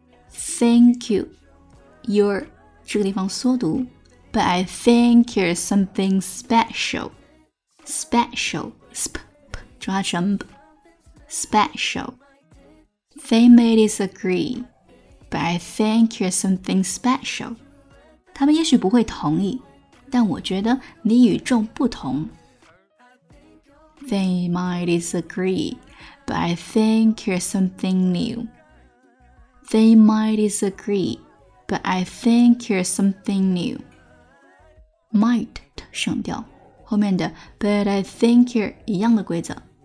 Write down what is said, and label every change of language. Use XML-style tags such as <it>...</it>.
<en>Thank you, you're</en> <zh>这个地方缩读</zh> <en>But I think you're something special. Special, sp,</en> <zh>抓成</zh> <en>b, special. They may disagree, but I think you're something special.</en> <zh>他们也许不会同意，但我觉得你与众不同。</zh> <en>They might disagree, but I think you're something new. They might disagree, but I think you're something new. Might</en> <zh>省掉，后面的</zh> <en>but I think you're</en> <zh>一样的规则。</zh>